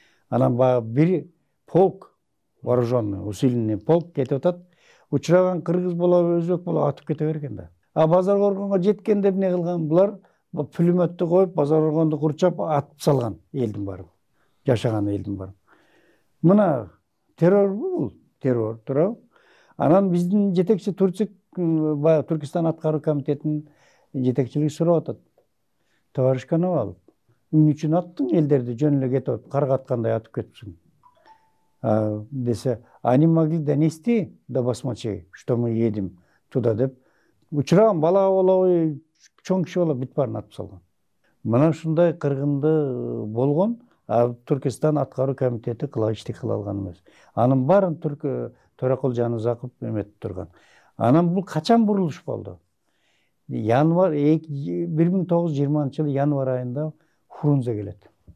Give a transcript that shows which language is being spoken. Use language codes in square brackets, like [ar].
[ky] Анан баягы бир полк [ru] вооружённый, усиленный полк [ky] кетип атат. Учураган кыргыз болобу, өзбек болобу атып кете берген да. А Базар Коргонго жеткенде эмне кылган? Булар пулемётту коюп, Базар Коргонду курчап атып салган элдин бары. Жашаган элдин бары. Мына террор бул, террор туурабы? Анан биздин жетекчи Турчук баягы Түркістан аткаруу комитетинин жетекчилиги сурап атат. Товарищ Коновалов, эмне үчүн аттың элдерди жөн эле кетип каргаткандай атып кетипсиң? Десе, [ru] они могли донести до басмачей, что мы едем туда, [ky] деп. Учураган бала болобу, чоң киши болобу, бүт баарын атып салган. Мына ушундай кыргынды болгон, а Түркістан аткаруу комитети кыла иштик кыла алган эмес. Анын баарын Төрөкул Жанузаков эметип турган. Анан бул качан бурулуш болду? Январ 1920-жылы январ айында Фрунзе келет.